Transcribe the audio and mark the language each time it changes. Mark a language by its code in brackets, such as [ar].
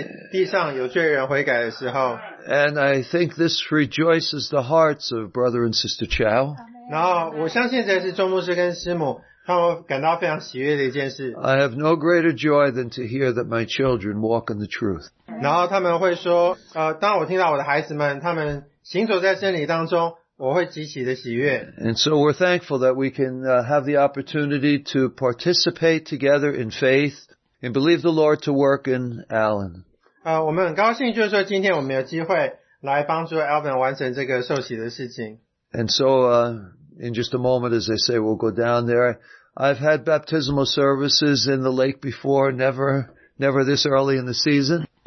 [en] And I think this rejoices the hearts of Brother and Sister Chow. I have no greater joy than to hear that my children walk in the truth. [zh] 然后他们会说, 当我听到我的孩子们,他们行走在真理当中, [en] And so we're thankful that we can have the opportunity to participate together in faith and believe the Lord to work in Alan. [zh] 我们很高兴就是说今天我们有机会来帮助 Alvin 完成这个受洗的事情。 [en] And so in just a moment, as they say, we'll go down there. I've had baptismal services in the lake before, never this early in the season.